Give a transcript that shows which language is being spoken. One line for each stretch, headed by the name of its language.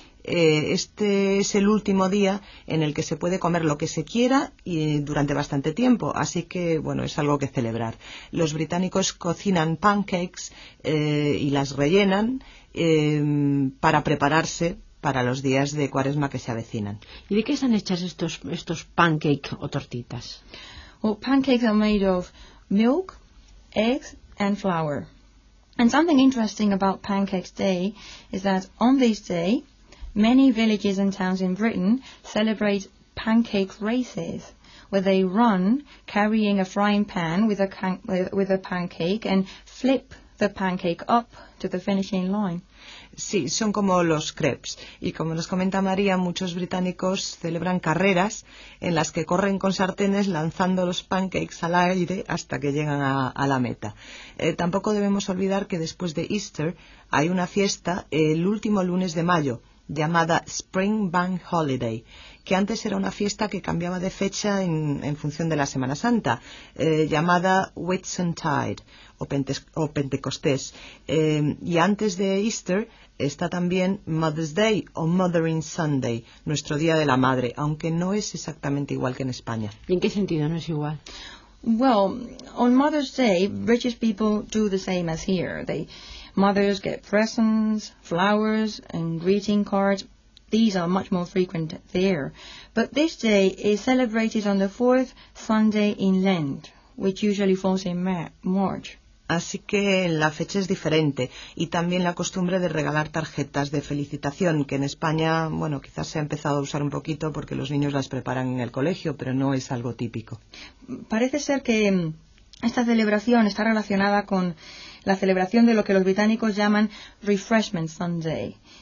Spanish: Este es el último día en el que se puede comer lo que se quiera y durante bastante tiempo, así que bueno, es algo que celebrar. Los británicos cocinan pancakes y las rellenan para prepararse para los días de Cuaresma que se avecinan. ¿Y de qué están hechas estos pancakes o tortitas?
English: Well, pancakes are made of milk, eggs and flour. And something interesting about Pancakes Day is that on this day, many villages and towns in Britain celebrate pancake races, where they run carrying a frying pan with a pancake and flip the pancake up to the finishing line.
Spanish: Sí, son como los crepes. Y como nos comenta María, muchos británicos celebran carreras en las que corren con sartenes lanzando los pancakes al aire hasta que llegan a la meta. Tampoco debemos olvidar que después de Easter hay una fiesta el último lunes de mayo, llamada Spring Bank Holiday, que antes era una fiesta que cambiaba de fecha en función de la Semana Santa, llamada Whitsuntide o Pentecostés. Y antes de Easter está también Mother's Day o Mothering Sunday, nuestro Día de la Madre, aunque no es exactamente igual que en España. ¿Y en qué sentido no es igual?
English: Well, on Mother's Day, British people do the same as here. Mothers get presents, flowers and greeting cards. These are much more frequent there. But this day is celebrated on the fourth Sunday in Lent, which usually falls in March.
Spanish: Así que la fecha es diferente, y también la costumbre de regalar tarjetas de felicitación, que en España, bueno, quizás se ha empezado a usar un poquito porque los niños las preparan en el colegio, pero no es algo típico. Parece ser que esta celebración está relacionada con la celebración de lo que los británicos llaman Refreshment Sunday.